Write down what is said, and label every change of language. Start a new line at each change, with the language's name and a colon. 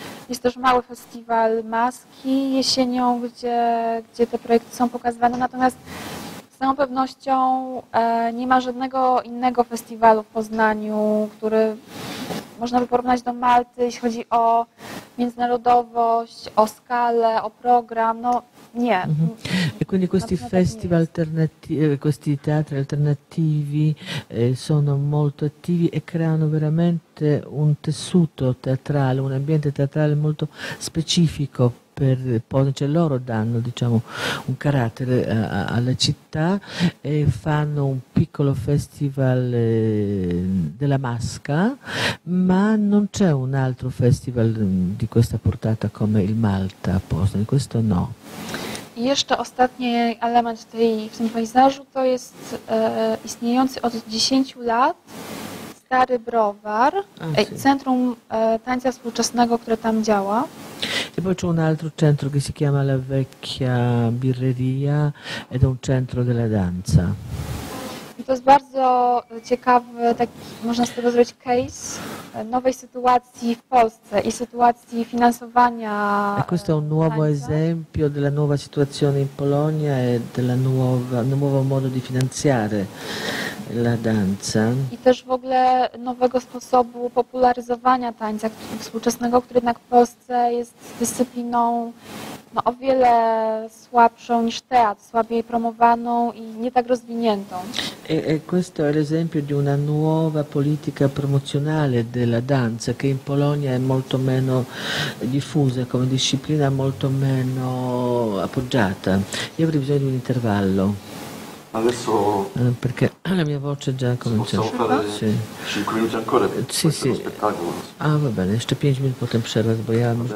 Polish: Jest też mały festiwal Maski jesienią, gdzie te projekty są pokazywane. Natomiast z całą pewnością nie ma żadnego innego festiwalu w Poznaniu, który można by porównać do Malty, jeśli chodzi o międzynarodowość, o skalę, o program. No, nie.
Italian: E quindi questi festival alternativi, questi teatri alternativi sono molto attivi e creano veramente un tessuto teatrale, un ambiente teatrale molto specifico per Poznań, cioè loro danno diciamo un carattere alla città e fanno un piccolo festival della Masca, ma non c'è un altro festival di questa portata come il Malta a Poznań, questo no.
Polish: I jeszcze ostatni element w tym pejzażu to jest istniejący od 10 lat stary browar, centrum tańca współczesnego, które tam działa.
Italian: E poi c'è un altro centro che si chiama La Vecchia Birreria ed è un centro della danza.
Polish: I to jest bardzo ciekawy, tak można z tego zrobić case nowej sytuacji w Polsce i sytuacji finansowania.
Italian: E questo è un nuovo esempio della nuova situazione in Polonia e della nuovo modo di finanziare la danza.
Polish: I też w ogóle nowego sposobu popularyzowania tańca współczesnego, który jednak w Polsce jest dyscypliną no, o wiele słabszą niż teatr, słabiej promowaną i nie tak rozwiniętą.
Italian: E questo è l'esempio di una nuova politica promozionale della danza, che in Polonia è molto meno diffusa come disciplina, molto meno appoggiata. Io avrei bisogno di un intervallo. Adesso perché la mia voce già comincia. Possiamo fare 5 minuti ancora per sì, sì. Ah, va bene,
Polish: jeszcze 5 minuti potem przerwa, bo ja mam